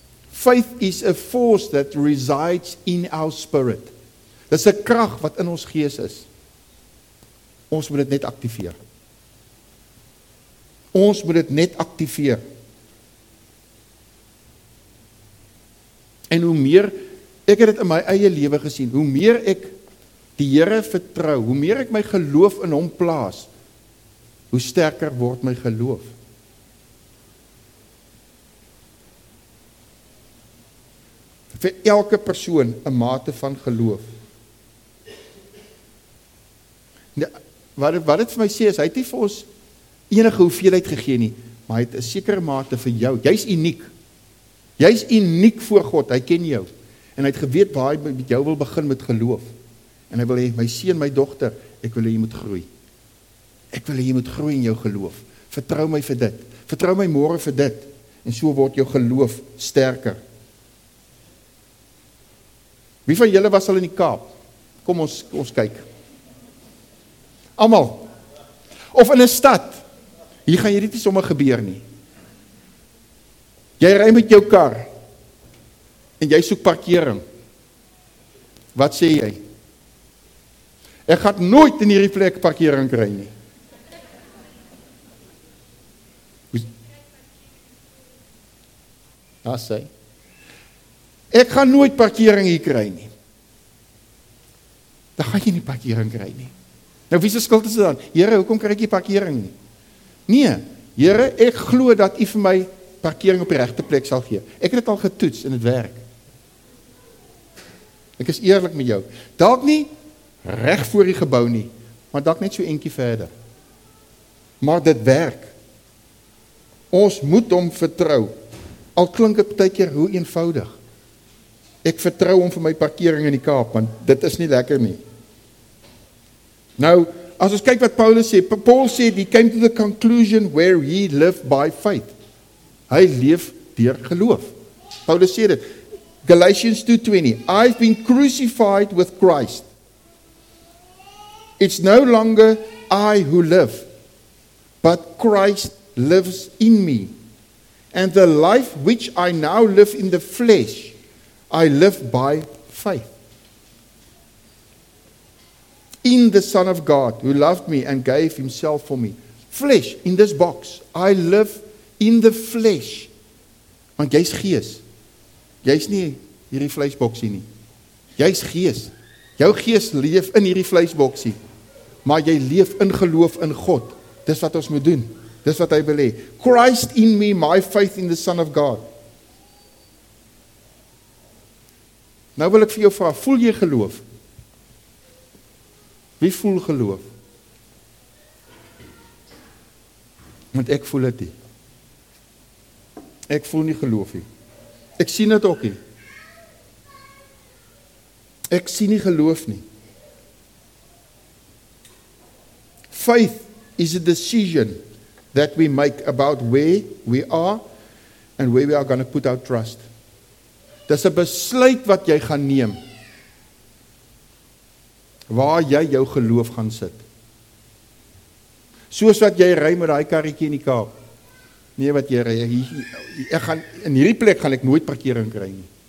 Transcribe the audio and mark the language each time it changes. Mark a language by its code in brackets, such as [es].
[en] Faith is a force that resides in our spirit. [af] Dit is 'n krag wat in ons gees is. Ons moet dit net aktiveer. Ons moet dit net aktiveer. En hoe meer, ek het dit in my eie lewe gesien, hoe meer ek die Here vertrou, hoe meer ek my geloof in hom plaas, hoe sterker word my geloof. Vir elke persoon 'n mate van geloof. Wat dit vir my sê is, hy het nie vir ons enige hoeveelheid gegee nie, maar hy het 'n sekere mate vir jou. Jy's uniek. Jy's uniek voor God, hy ken jou. En hy het geweet waar hy met jou wil begin met geloof. En hy wil hê, my seun, my dogter, ek wil hê jy moet groei. Ek wil hê jy moet groei in jou geloof. Vertrou my vir dit. Vertrou my môre vir dit. En so word jou geloof sterker. Wie van julle was al in die Kaap? Kom ons kyk. Almal. Of in 'n stad. Hier gaan hierdie nie sommer gebeur nie. Jy ry met jou kar en jy soek parkering. Wat sê jy? Ek gaan nooit in hierdie plek parkering kry nie. Ja, sê. Ek gaan nooit parkering hier kry nie. Dan gaan jy nie parkering kry nie. Nou, wie se skuld is dit dan? Here, hoekom kry ek nie parkering nie? Nee, Here, ek glo dat U vir my parkering op die regte plek sal gee. Ek het dit al getoets en dit werk. Ek is eerlik met jou. Dalk nie reg voor die gebou nie, maar dalk net so eentjie verder. Maar dit werk. Ons moet hom vertrou. Al klink dit baie keer hoe eenvoudig. Ek vertrou hom vir my parkering in die Kaap, want dit is nie lekker nie. Nou, as ons kyk wat Paulus sê, Paul sê, [en] he came to the conclusion where he lived by faith. [af] Hy leef deur geloof. Paulus sê dit. [en] Galatians 2:20, I've been crucified with Christ. It's no longer I who live, but Christ lives in me. And the life which I now live in the flesh, I live by faith in the Son of God who loved me and gave himself for me. Flesh, in this box, I live in the flesh. [af] Want jy's gees. Jy's nie hierdie vleisboksie nie. Jy's gees. Jou gees leef in hierdie vleisboksie. Maar jy leef in geloof in God. Dis wat ons moet doen. Dis wat hy wil hê. [en] Christ in me, my faith in the Son of God. [af] Nou wil ek vir jou vraag, voel jy geloof? Wie voel geloof? Want ek voel het nie. Ek voel nie geloof nie. Ek sien het ook nie. Ek sien nie geloof nie. [en] Faith is a decision that we make about where we are and where we are going to put our trust. [af] Dis 'n besluit wat jy gaan neem. Waar jy jou geloof gaan sit. Soos wat jy ry met daai karretjie in die Kaap. Nee, wat jy ry, ek gaan in hierdie plek gaan ek nooit parkering kry nie.